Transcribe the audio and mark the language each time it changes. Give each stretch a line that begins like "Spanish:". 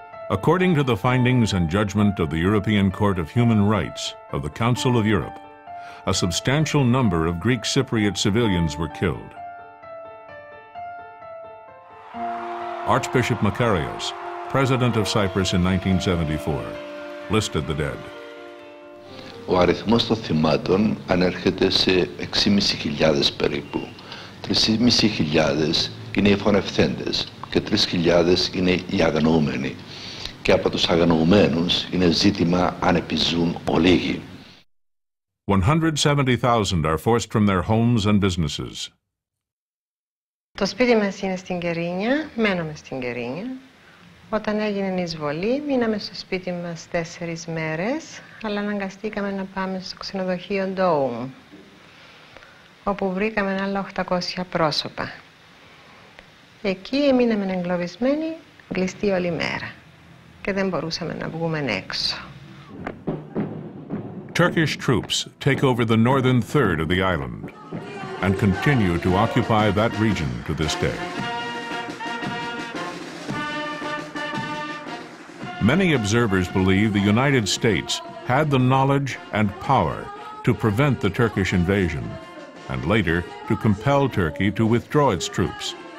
English: According to the findings and judgment of the European Court of Human Rights of the Council of Europe, a substantial number of Greek Cypriot civilians were killed. Archbishop Makarios, president of Cyprus in 1974, listed the dead.
Greek: Ο αριθμός των θυμάτων ανέρχεται σε 6.500 περίπου. 3.500 είναι οι φωνευθέντες και 3.000 είναι οι αγνοούμενοι. Και από τους αγνοωμένους είναι ζήτημα αν επιζουν ολίγοι.
English: 170,000 are forced from their homes and businesses.
Greek: Το σπίτι μας είναι στην Κερίνια, μένουμε στην Κερίνια. Όταν έγινε η εισβολή, μείναμε στο σπίτι μας 4 μέρες, αλλά αναγκαστήκαμε να πάμε στο ξενοδοχείο Ντόουμ, όπου βρήκαμε άλλα 800 πρόσωπα. Εκεί μείναμε εγκλωβισμένοι, κλειστοί όλη μέρα. Και δεν μπορούσαμε να βγούμε έξω.
English: Turkish troops take over the northern third of the island and continue to occupy that region to this day. Many observers believe the United States had the knowledge and power to prevent the Turkish invasion and later to compel Turkey to withdraw its troops.